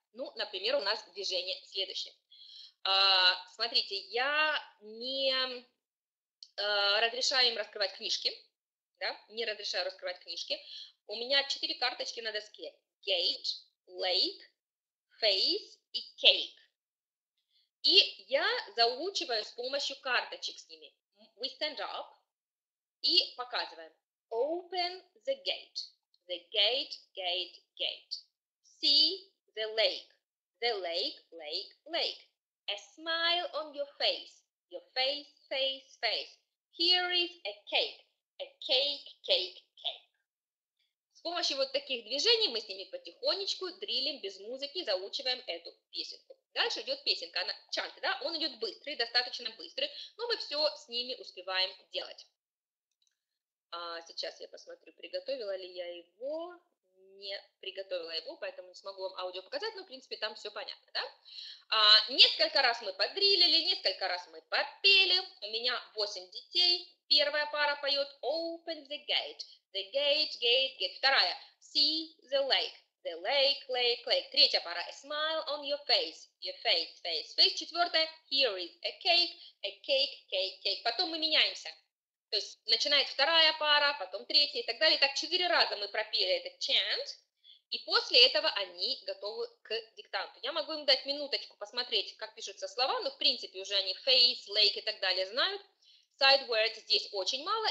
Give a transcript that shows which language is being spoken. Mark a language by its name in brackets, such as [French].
[Russian] Ну, например, у нас движение следующее. Смотрите, я не разрешаю им раскрывать книжки, да, не разрешаю раскрывать книжки. У меня 4 карточки на доске. [English] Gate, lake, face и cake. [Russian] И я заучиваю с помощью карточек с ними. [English] We stand up [Russian] и показываем. [English] Open the gate. The gate, gate, gate. See the lake. The lake, lake, lake. A smile on your face. Your face, face, face. Here is a cake. A cake, cake, cake. [Russian] С помощью вот таких движений мы с ними потихонечку дрилим без музыки, заучиваем эту песенку. Дальше идет песенка, она чант, да, он идет быстрый, достаточно быстрый, но мы все с ними успеваем делать. А сейчас я посмотрю, приготовила ли я его, не приготовила его, поэтому не смогу вам аудио показать, но, в принципе, там все понятно, да. А несколько раз мы подрилили, несколько раз мы попели, у меня 8 детей, первая пара поет [English] open the gate, gate, gate, [Russian] вторая, [English] see the lake. The lake, lake, lake. [Russian] Третья пара. [English] A smile on your face, face, face. [Russian] Четвертая. [English] Here is a cake, cake, cake. [Russian] Потом мы меняемся. То есть начинает вторая пара, потом третья и так далее. Так 4 раза мы пропели этот chant. И после этого они готовы к диктанту. Я могу им дать минуточку посмотреть, как пишутся слова. Но в принципе уже они face, lake и так далее знают. Side words здесь очень мало.